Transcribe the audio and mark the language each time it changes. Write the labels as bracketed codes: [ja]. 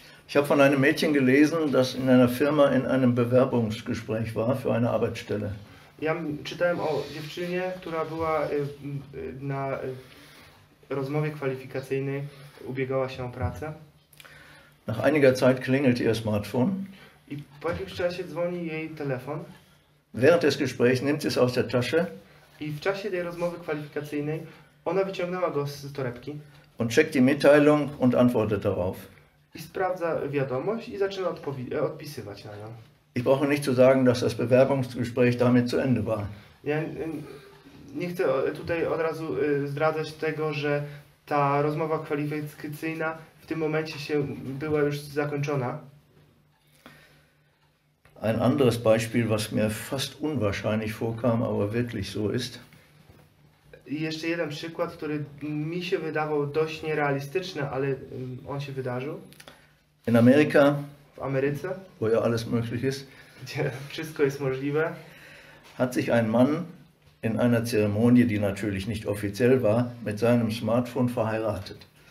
[de] Ich habe von einem Mädchen gelesen, das in einer Firma in einem Bewerbungsgespräch war für eine Arbeitsstelle. [pl] Ja czytałem o dziewczynie, która była na rozmowie kwalifikacyjnej, ubiegała się o pracę. [de] Nach einiger Zeit klingelt ihr Smartphone. [pl] I po jakimś czasie dzwoni jej telefon. [de] Während des Gesprächs nimmt sie es aus der Tasche. [pl] I w czasie tej rozmowy kwalifikacyjnej ona wyciągnęła go z torebki. [de] Und checkt die Mitteilung und antwortet darauf. [pl] I sprawdza wiadomość i zaczyna odpisywać na nią. [de] Ich brauche nicht zu sagen, dass das Bewerbungsgespräch damit zu Ende war. [pl] Ja nie chcę tutaj od razu zdradzać tego, że ta rozmowa kwalifikacyjna w tym momencie się była już zakończona. [de] Ein anderes Beispiel, was mir fast unwahrscheinlich vorkam, aber wirklich so ist. [pl] Jeszcze jeden przykład, który mi się wydawał dość nierealistyczny, ale on się wydarzył. [de] In Amerika. [pl] W Ameryce. [de] Wo ja alles möglich ist. [pl] Gdzie wszystko jest możliwe. [de] Hat sich ein Mann in einer Zeremonie, die natürlich nicht offiziell war, mit seinem Smartphone verheiratet.